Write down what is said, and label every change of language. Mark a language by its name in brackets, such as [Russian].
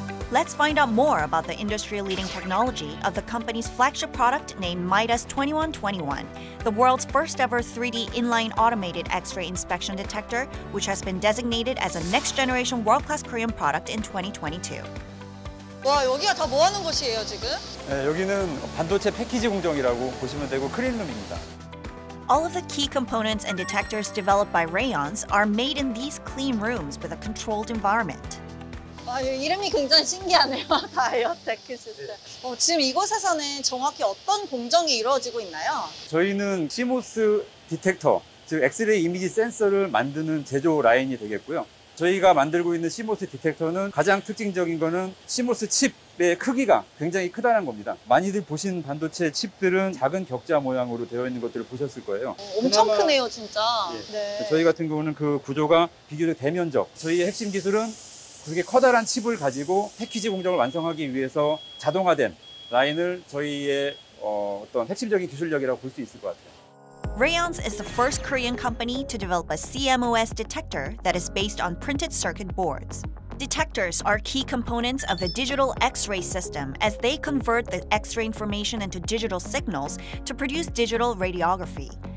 [English] Let's find out more about the industry-leading technology of the company's flagship product named Midas 2121, the world's first-ever 3D inline automated X-ray inspection detector, which has been designated as a next-generation world-class Korean product in 2022. [Korean] 와, 여기가 다 뭐 하는 곳이에요, 지금? 네, 여기는 반도체 패키지 공정이라고 보시면 되고 크린룸입니다. [English] All of the key components and detectors developed by Rayence are made in these clean rooms with a controlled environment. [Korean] 아, 이름이 굉장히 신기하네요. 바이오테크 시스템. 지금 이곳에서는 정확히 어떤 공정이 이루어지고 있나요? 저희는 CMOS 디텍터, 즉 엑스레이 이미지 센서를 만드는 제조 라인이 되겠고요. 저희가 만들고 있는 CMOS 디텍터는 가장 특징적인 거는 CMOS 칩의 크기가 굉장히 크다는 겁니다. 많이들 보신 반도체 칩들은 작은 격자 모양으로 되어 있는 것들을 보셨을 거예요. 엄청 크네요, 진짜. 예. 네. 저희 같은 경우는 그 구조가 비교적 대면적. 저희의 핵심 기술은 그렇게 커다란 칩을 가지고 패키지 공정을 완성하기 위해서 자동화된 라인을 저희의 어떤 핵심적인 기술력이라고 볼 수 있을 것 같아요. [English] Rayence is the first Korean company to develop a CMOS detector that is based on printed circuit boards. Detectors are key components of the digital X-ray system as they convert the X-ray information into digital signals to produce digital radiography.